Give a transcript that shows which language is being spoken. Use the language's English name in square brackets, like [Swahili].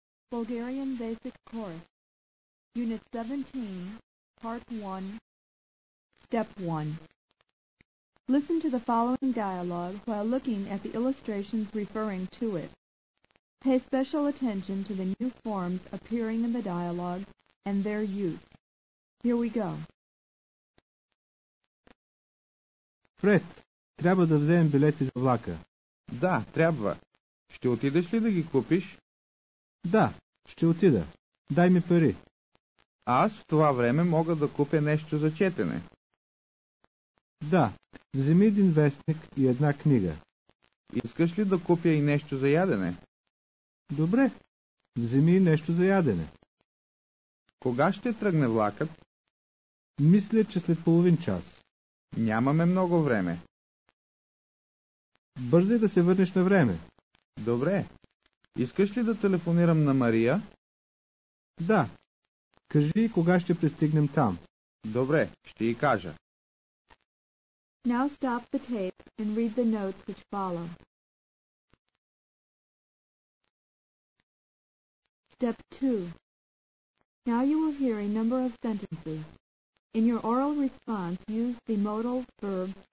[English] Bulgarian Basic Course. Unit 17, Part 1, Step 1. Listen to the following dialogue while looking at the illustrations referring to it. Pay special attention to the new forms appearing in the dialogue and their use. Here we go. [Bulgarian] Фред, трябва да вземем билети за влака. Да, трябва. Ще отидеш ли да ги купиш? Да, ще отида. Дай ми пари. Аз в това време мога да купя нещо за четене. Да, вземи един вестник и една книга. Искаш ли да купя и нещо за ядене? Добре, вземи нещо за ядене. Кога ще тръгне влакът? Мисля, че след половин час. Нямаме много време. Бързай да се върнеш на време. Добре. Искаш ли да телефонирам на Мария? Да. Кажи кога ще пристигнем там. Добре, ще й кажа. [English] Now stop the tape and read the notes which follow. Step 2. Now you will hear a number of sentences. In your oral response, use the modal verb